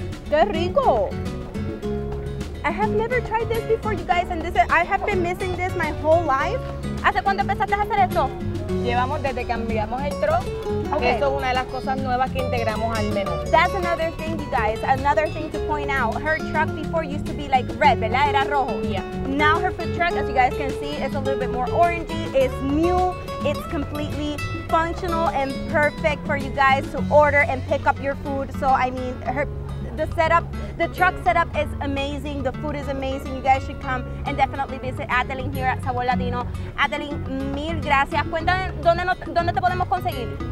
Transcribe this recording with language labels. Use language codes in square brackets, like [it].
[es] Qué rico. [en] I have never tried this before, you guys, and this is, I have been missing this my whole life. [es] ¿Hace cuánto empezaste a hacer esto? Llevamos desde que cambiamos el tro. [en] Okay. [es] Eso es una de las cosas nuevas que integramos al menú. [en] That's another thing, you guys. Another thing to point out. Her truck before used to be like red, [es] ¿verdad? Era rojo. [en] Yeah. Now her food truck, as you guys can see, is a little bit more orangey. It's new. It's completely functional and perfect for you guys to order and pick up your food. So, I mean, her, the setup, the truck setup is amazing. The food is amazing. You guys should come and definitely visit Athelene here at Sabor Latino. [es] Athelene, mil gracias. Cuéntame, ¿dónde te podemos conseguir?